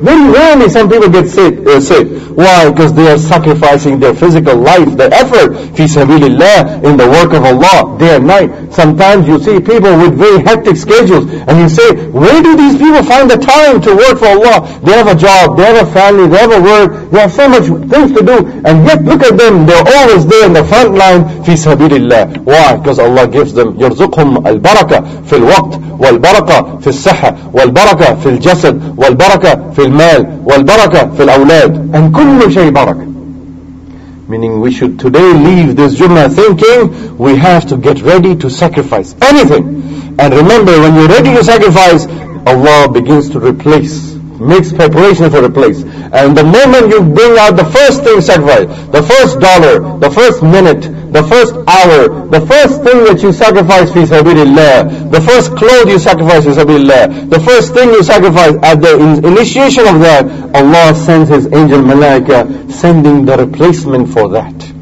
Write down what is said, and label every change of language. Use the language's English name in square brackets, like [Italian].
[English] Very rarely some people get sick. Why? Because they are sacrificing their physical life, their effort, [Arabic] فِي سَبِيلِ اللَّهِ, [English] in the work of Allah, day and night. Sometimes you see people with very hectic schedules, and you say, where do these people find the time to work for Allah? They have a job, they have a family, they have a work, they have so much things to do, and yet look at them, they're always there in the front line, [Arabic] فِي سَبِيلِ اللَّهِ. [English] Why? Because Allah gives them, [Arabic] يَرْزُقْهُمْ الْبَرَكَةِ فِي الْوَقْتِ والبركة في الصحة والبركة في الجسد والبركة في المال والبركة في الأولاد and كل شيء بركة. [English] Meaning we should today leave this Jummah thinking we have to get ready to sacrifice anything. And remember, when you're ready to sacrifice, Allah begins to replace, makes preparation for replace. And the moment you bring out the first thing sacrifice, the first dollar, the first minute, the first hour, the first thing that you sacrifice fi sabilillah, the first cloth you sacrifice fi sabilillah, the first thing you sacrifice at the initiation of that, Allah sends His angel Malaika sending the replacement for that.